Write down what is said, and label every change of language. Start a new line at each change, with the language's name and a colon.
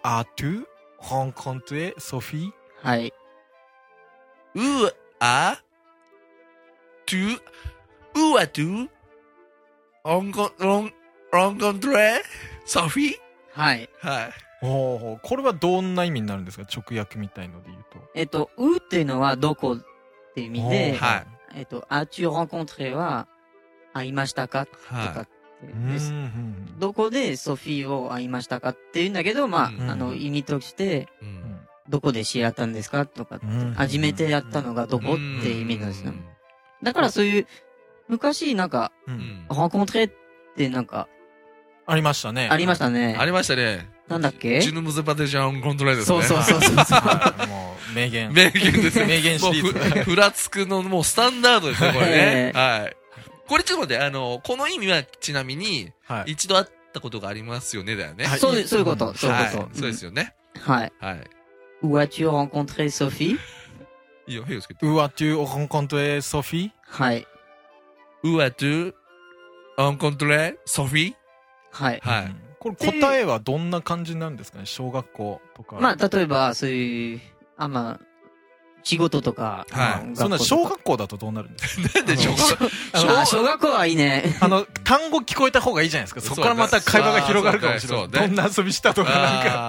Japanese: あと rencontré ソフィーはい。
French: Où as-tu, rencontré Sophie?
Japanese: はい。はい。おー、これはどんな意味になるんですか？直訳みたいので言うと。 où っていうのはどこっていう意味で、はい、
French: as-tu rencontré
Japanese: は会いましたか、はい、とかです。どこで Sophie を会いましたかっていうんだけど、まあ、意味として、どこで知り合ったんですかとか、初めてやったのがどこって意味なんですよ。だからそういう、昔なんか、rencontré ってなんか、ありましたね。ありましたね。ありましたね。なんだっけ？ジュヌムズパテジャン rencontré ですね。そうそうそうそう。もう、名言。名言ですね。名言シリーズ。ふらつくのもうスタンダードですね、これね。はい。これちょっと待って、この意味はちなみに、一度会ったことがありますよね、だよね。そう、そういうこと、そういうこと。そうですよね。はい。はい。
French: Où as-tu rencontré Sophie?
Japanese: いや、ヘイヨスケ。
French: Où as-tu rencontré Sophie?
Japanese: はい。
French: Où as-tu rencontré Sophie?
Japanese: はい。はい。これ答えはどんな感じなんですかね、小学校とか。まあ、例えば、そういう、あ、まあ、仕事とか。はい。そんな、小学校だとどうなるんですか？なんで小学校？あ、小学校はいいね。単語聞こえた方がいいじゃないですか。そこからまた会話が広がるかもしれない。どんな遊びしたとかなんか。